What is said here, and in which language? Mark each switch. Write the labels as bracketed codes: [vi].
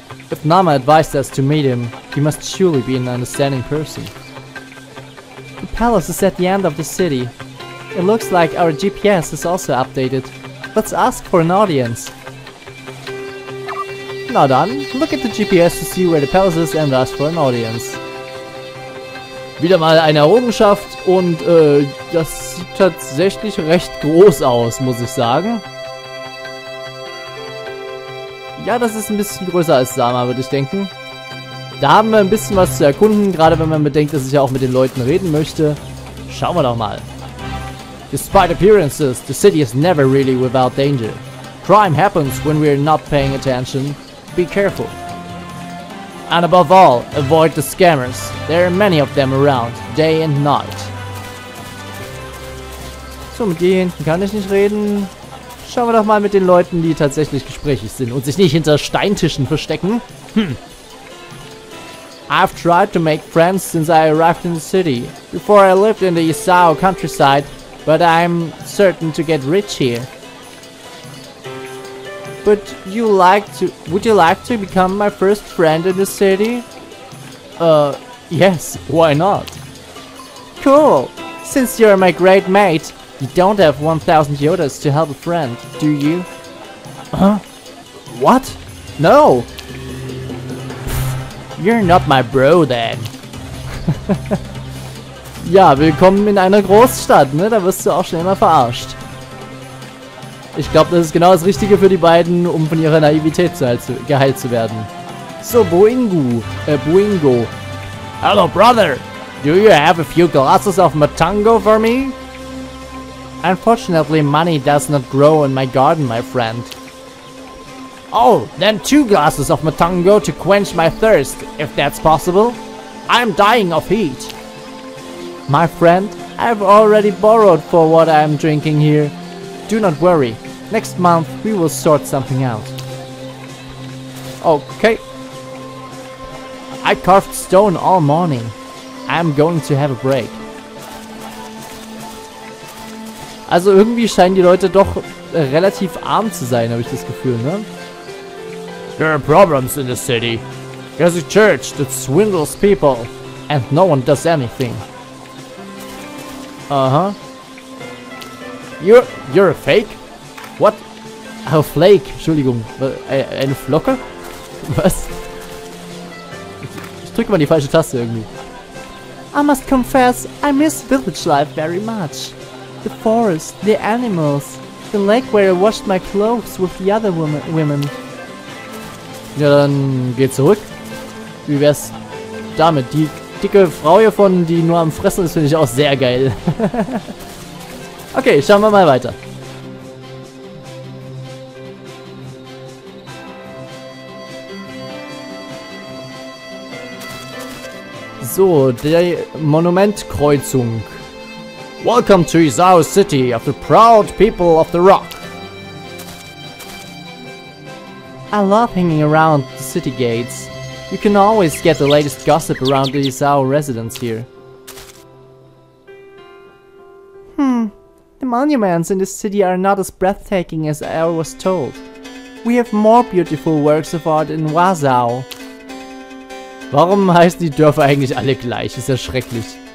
[en] If Nama advised us to meet him, he must surely be an understanding person. The palace is at the end of the city. It looks like our GPS is also updated. Let's ask for an audience. [de] Na dann, [en] look at the GPS to see where the palace is and ask for an audience. [de] Wieder mal eine Errungenschaft und das sieht tatsächlich recht groß aus, muss ich sagen. Ja, das ist ein bisschen größer als Sama, würde ich denken. Da haben wir ein bisschen was zu erkunden, gerade wenn man bedenkt, dass ich ja auch mit den Leuten reden möchte. Schauen wir doch mal. [en] Despite appearances, the city is never really without danger. Crime happens when we are not paying attention. Be careful. And above all, avoid the scammers. There are many of them around, day and night. [de] So, mit dir hinten kann ich nicht reden. Schauen wir doch mal mit den Leuten, die tatsächlich gesprächig sind und sich nicht hinter Steintischen verstecken. [en] I've tried to make friends since I arrived in the city. Before I lived in the Isao countryside, but I'm certain to get rich here. But you like to... would you like to become my first friend in the city? Yes, why not? Cool! Since you're my great mate, you don't have 1,000 yodas to help a friend, do you? Huh? What? No! You're not my bro then. [de] Ja, willkommen in einer Großstadt, ne? Da wirst du auch schnell mal verarscht. Ich glaube, das ist genau das Richtige für die beiden, um von ihrer Naivität geheilt zu werden. So, Boingu. Boingo. [en] Hello, brother! Do you have a few glasses of Matango for me? Unfortunately, money does not grow in my garden, my friend. Oh, then two glasses of Matango to quench my thirst, if that's possible. I'm dying of heat. My friend, I've already borrowed for what I'm drinking here. Do not worry. Next month, we will sort something out. Okay. I carved stone all morning. I'm going to have a break. [de] Also irgendwie scheinen die Leute doch relativ arm zu sein, habe ich das Gefühl, ne? [en] There are problems in the city. There's a church that swindles people and no one does anything. Uh-huh. You're a fake? What? A flake, [de] Entschuldigung. Eine Flocke? Was? Ich drücke mal die falsche Taste irgendwie. [en] I must confess, I miss village life very much. The forest, the animals, the lake where I washed my clothes with the other women. [de] Ja, dann geh zurück. Wie wär's damit? Die dicke Frau hier von, die nur am Fressen ist, finde ich auch sehr geil. Okay, schauen wir mal weiter. So, die Monumentkreuzung. [en] Welcome to Izao City of the proud people of the rock. I love hanging around the city gates. You can always get the latest gossip around the Izao residents here. The monuments in this city are not as breathtaking as I was told. We have more beautiful works of art in Wazao. [de] Warum heißen die Dörfer eigentlich alle gleich? Ist ja schrecklich.